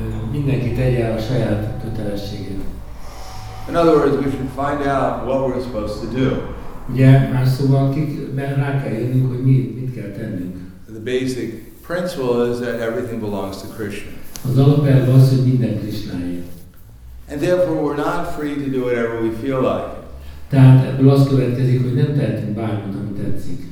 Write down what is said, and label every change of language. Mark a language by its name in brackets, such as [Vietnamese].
[Hungarian] Mindenki tegye a saját kötelességét. [English] In other words, we should find out what we're supposed to do. [Hungarian] Ugye, már szóval rá kell jönnünk, hogy mit kell tennünk. [English] The basic principle is that everything belongs to Krishna. [Hungarian] Az alapelv az, hogy minden Krishnáé. [English] And therefore we're not free to do whatever we feel like. [Hungarian] Tehát ebből az következik, hogy nem tehetünk bármit, amit tetszik.